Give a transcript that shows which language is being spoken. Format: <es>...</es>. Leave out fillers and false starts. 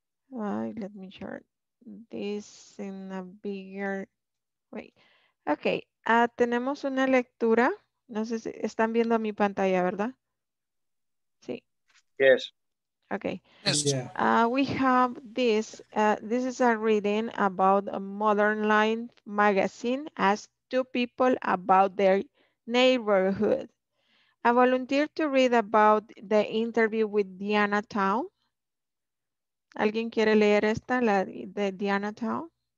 <en>Let me share this in a bigger way.</en> <es>Okay, tenemos una lectura. No sé si están viendo mi pantalla, ¿verdad?</es> <en>Yes. Okay. Yes. We have this. This is a reading about a Modern Line magazine asked two people about their neighborhood. I volunteered to read about the interview with Diana Town.</en> <es>¿Alguien quiere leer esta, la de Diana Town?</es>